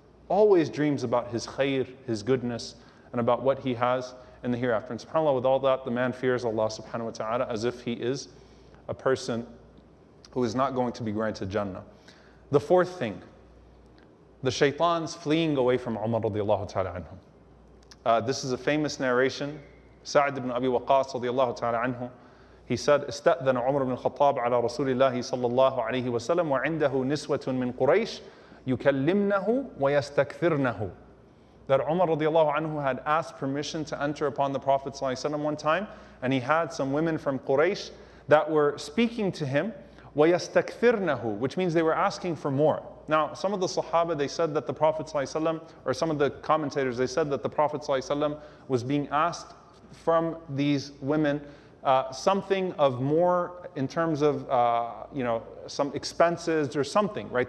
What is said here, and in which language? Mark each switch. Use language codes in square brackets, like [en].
[en] Always dreams about his khair, his goodness, and about what he has in the hereafter. And subhanAllah, with all that, the man fears Allah subhanahu wa ta'ala as if he is a person who is not going to be granted Jannah. The fourth thing, the shaytan's fleeing away from Umar radiallahu ta'ala anhu. This is a famous narration. [ar] Sa'd ibn Abi Waqqas radiyallahu ta'ala anhu, [en] he said, [ar] استأذن عمر بن الخطاب على رسول الله صلى الله عليه وسلم وعنده نسوة من قريش يكلمنه ويستكثرنه. [en] That Umar radiyallahu anhu had asked permission to enter upon the Prophet صلى الله عليه وسلم one time, and he had some women from Quraysh that were speaking to him, ويستكثرنه, which means they were asking for more. Now, some of the Sahaba, they said that the Prophet صلى الله عليه وسلم, or some of the commentators, they said that the Prophet صلى الله عليه وسلم was being asked from these women something of more in terms of you know, some expenses or something, right?